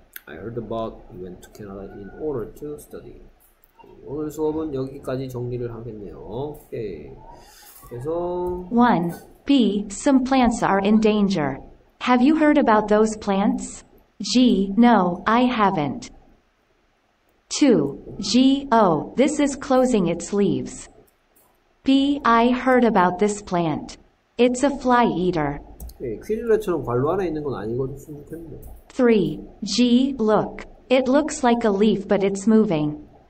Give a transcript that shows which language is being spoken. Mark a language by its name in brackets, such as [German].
[English] I heard about you went to Canada in order to study. [Korean] 오늘 수업은 여기까지 정리를 하겠네요. 오케이. 그래서 [English] one. B. Some plants are in danger. Have you heard about those plants? G. No, I haven't. 2. G. Oh, this is closing its leaves. B. I heard about this plant. It's a fly eater. [Korean] 네, 퀴즈레처럼 관로 안에 있는 건 아니고 좀 좋겠네. [English] 3. G. Look. It looks like a leaf, but it's moving.